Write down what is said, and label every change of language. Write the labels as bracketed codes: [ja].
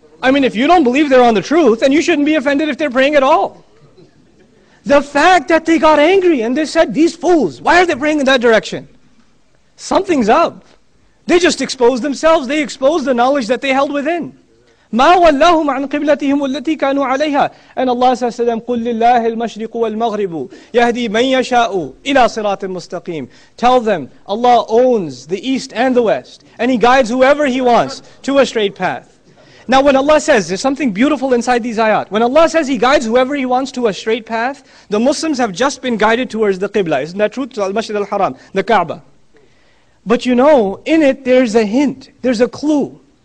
[en] I mean, if you don't believe they're on the truth, then you shouldn't be offended if they're praying at all. The fact that they got angry and they said, these fools, why are they praying in that direction? Something's up. They just exposed themselves. They exposed the knowledge that they held within. [ar] مَا وَلَّهُمْ عَنْ قِبْلَتِهِمُ الَّتِي كَانُوا عَلَيْهَا. [en] And Allah says to them, [ar] قُلْ لِلَّهِ الْمَشْرِقُ وَالْمَغْرِبُ يَهْدِي مَنْ يَشَاءُ إِلَىٰ صِرَاطٍ مُسْتَقِيمٍ. [en] Tell them, Allah owns the east and the west, and He guides whoever He wants to a straight path. Now when Allah says, there's something beautiful inside these ayat. When Allah says He guides whoever He wants to a straight path, the Muslims have just been guided towards the Qibla. Isn't that true? To Al-Masjid Al-Haram, the Kaaba. But you know, in it there's a hint, there's a clue.